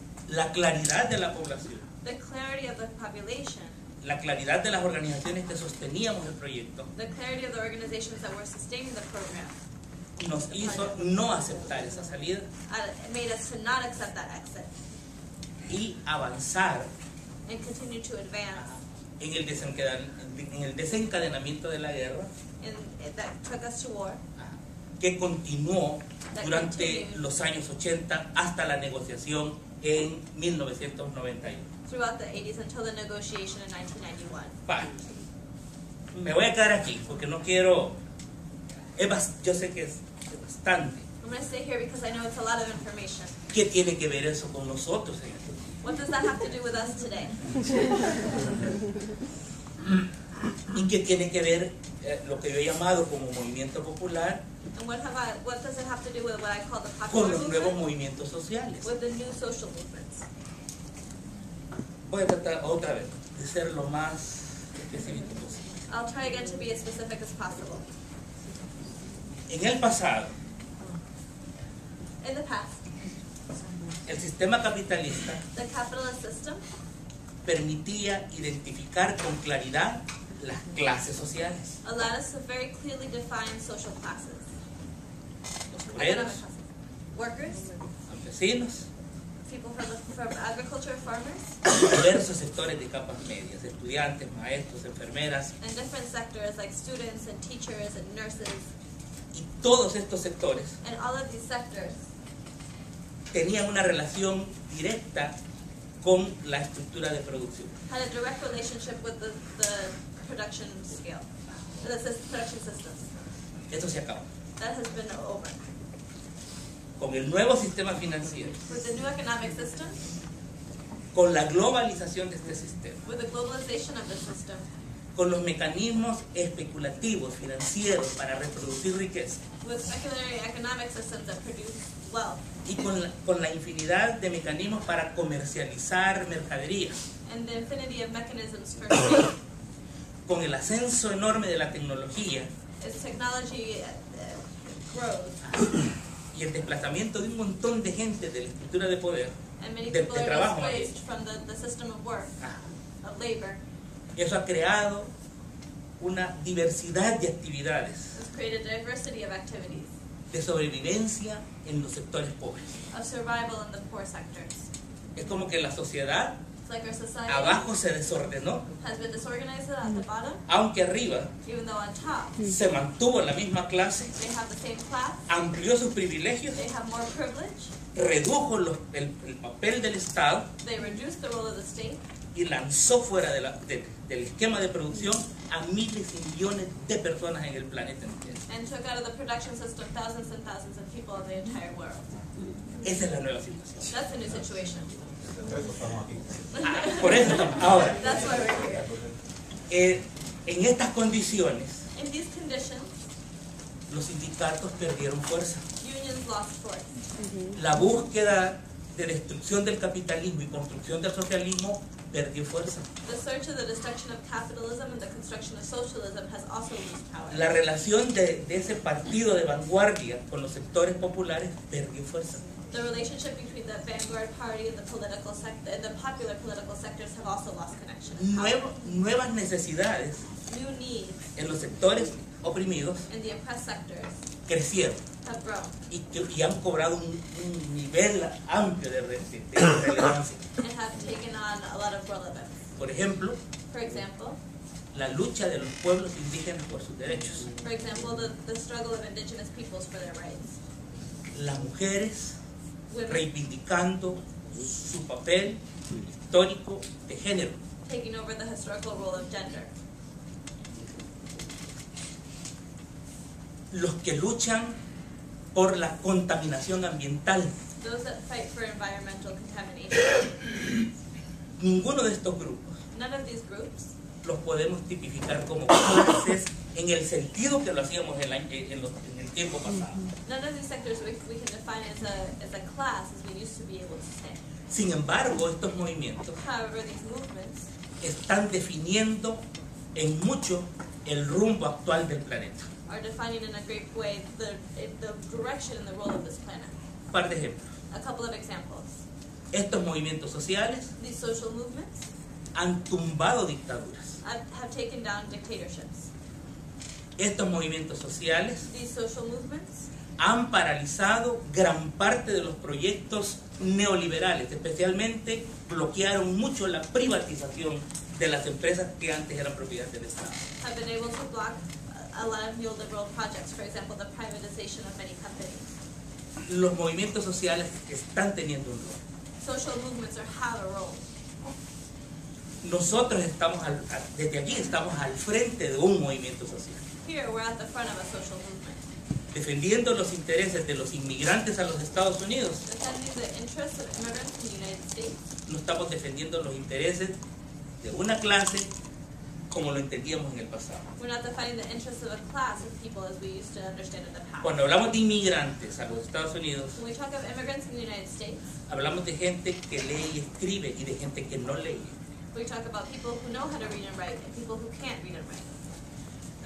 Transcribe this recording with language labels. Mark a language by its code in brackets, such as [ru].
[es] La claridad de la población. [en] The clarity of the population. [es] La claridad de las organizaciones que sosteníamos el proyecto. [en] The clarity of the organizations that were sustaining the program. [es] Nos hizo no aceptar esa salida. [en] Made us to not accept that exit. [es] Y avanzar. [en] And continue to advance. [es] En el desencadenamiento de la guerra. [en] That took us to war. [es] Que continuó durante los años 80 hasta la negociación en 1991. [en] Throughout the 80s until the negotiation in 1991. [es] Me voy a quedar aquí porque no quiero. Yo sé que es bastante. [en] I'm going to stay here because I know it's a lot of information. [es] ¿Qué tiene que ver eso con nosotros? [en] What does that have to do with us today? [es] ¿Y qué tiene que ver lo que yo he llamado como movimiento popular? [en] And what does it have to do with what I call the popular [es] con los [en] movement? [es] Nuevos movimientos sociales. [en] With the new social movements. [es] Voy a tratar otra vez de ser lo más específico posible. [en] I'll try again to be as specific as possible. [es] En el pasado. [en] In the past. [es] El sistema capitalista. [en] The capitalist system. [es] Permitía identificar con claridad las clases sociales. [en] Allowed us to very clearly define social classes. [es] Obreros, [en] workers, [es] campesinos, [en] people from agriculture, farmers, [es] diversos sectores de capas medias, estudiantes, maestros, enfermeras, [en] and different sectors like students and teachers and nurses, [es] y todos estos sectores, [en] and all of these sectors, [es] tenían una relación directa con la estructura de producción, [en] had a direct relationship with the production scale, the production systems. [es] Esto se acabó. [en] That has been over. [es] con el nuevo sistema financiero. [en] With the new economic system. [es] Con la globalización de este sistema. [en] With the globalization of the system. [es] Con los mecanismos especulativos financieros para reproducir riqueza. [en] With secondary economic systems that produce wealth. [es] Y con la infinidad de mecanismos para comercializar mercadería. [en] And the infinity of mechanisms for [es] con el ascenso enorme de la tecnología. [en] As technology grows. [es] Y el desplazamiento de un montón de gente de la estructura de poder. [en] And many people [es] de trabajo, [en] are displaced from the system of work, of labor. [es] Eso ha creado una diversidad de actividades. [en] It's created a diversity of activities. [es] De sobrevivencia en los sectores pobres. [en] Of survival in the poor sectors. [es] Es como que la sociedad, [en] it's like our society [es] abajo se desordenó. [en] Has been disorganized at the bottom. [es] Aunque arriba, [en] even though on top, [es] se mantuvo la misma clase. [en] They have the same class. [es] Amplió sus privilegios. [en] They have more privilege. [es] Redujo el papel del Estado. [en] They reduced the role of the state. [es] Y lanzó fuera del esquema de producción a miles y millones de personas en el planeta entero. [en] And took out of the production system thousands and thousands of people in the entire world. [es] Esa es la nueva situación. [en] That's the new situation. [es] Por eso estamos ahora. [en] That's why we're here. [es] En estas condiciones, [en] in these conditions, [es] los sindicatos perdieron fuerza. [en] Unions lost force. Mm-hmm. [es] La búsqueda de destrucción del capitalismo y construcción del socialismo perdió fuerza. [en] The search of the destruction of capitalism and the construction of socialism has also lost power. [es] La relación de ese partido de vanguardia con los sectores populares perdió fuerza. [en] The relationship between the vanguard party and the political sector and the popular political sectors have also lost connection. [es] Nuevas necesidades, [en] new needs, [es] en los sectores oprimidos, [en] in the oppressed sectors, [es] crecieron. [en] Have grown. [es] Y han cobrado un nivel amplio de relevancia. [en] And have taken on a lot of relevance. [es] Por ejemplo, [en] for example, [es] la lucha de los pueblos indígenas por sus derechos. [en] For example, the struggle of indigenous peoples for their rights. [es] Las mujeres, [en] women, [es] reivindicando su papel histórico de género. [en] Taking over the historical role of gender. [es] Los que luchan por la contaminación ambiental. [en] Those that fight for environmental contamination. [es] Ninguno de estos grupos. [en] None of these groups. [es] Los podemos tipificar como clases en el sentido que lo hacíamos en el tiempo pasado. [en] None of these sectors we can define as a class as we used to be able to say. [es] Sin embargo, estos movimientos. [en] However, these movements. [es] Están definiendo en mucho el rumbo actual del planeta. [en] Are defining in a great way the direction and the role of this planet. [es] Par de ejemplos. [en] A couple of examples. [es] Estos movimientos sociales. [en] These social movements. [es] Han tumbado dictaduras. [en] Have taken down dictatorships. [es] Estos movimientos sociales. [en] These social movements. [es] Han paralizado gran parte de los proyectos neoliberales. Especialmente bloquearon mucho la privatización de las empresas que antes eran propiedad del Estado. [en] Have been able to block a lot of neoliberal projects, for example, the privatization of many companies. [es] Los movimientos sociales están teniendo un rol. [en] Social movements are have a role. [es] Nosotros estamos desde aquí estamos al frente de un movimiento social. [en] Here we're at the front of a social movement. [es] Defendiendo los intereses de los inmigrantes a los Estados Unidos. [en] Defending the interests of immigrants in the United States. [es] No estamos defendiendo los intereses de una clase como lo entendíamos en el pasado. [en] We're not defining the interests of a class of people as we used to understand in the past. [es] Cuando hablamos de inmigrantes a los Estados Unidos, [en] when we talk of immigrants in the United States, [es] hablamos de gente que lee y escribe y de gente que no lee. [en] We talk about people who know how to read and write and people who can't read and write.